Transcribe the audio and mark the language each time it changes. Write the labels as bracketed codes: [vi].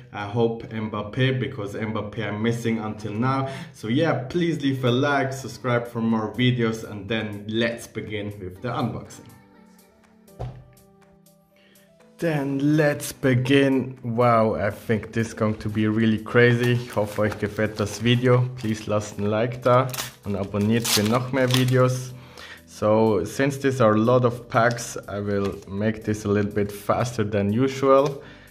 [en] I hope Mbappé, because Mbappé I'm missing until now. So yeah, please leave a like, subscribe for more videos, and then let's begin with the unboxing. Then let's begin. Wow, I think this is going to be really crazy. [de] Ich hoffe, euch gefällt das Video. Please lasst ein Like da und abonniert für noch mehr Videos. [en] So, since these are a lot of packs, I will make this a little bit faster than usual.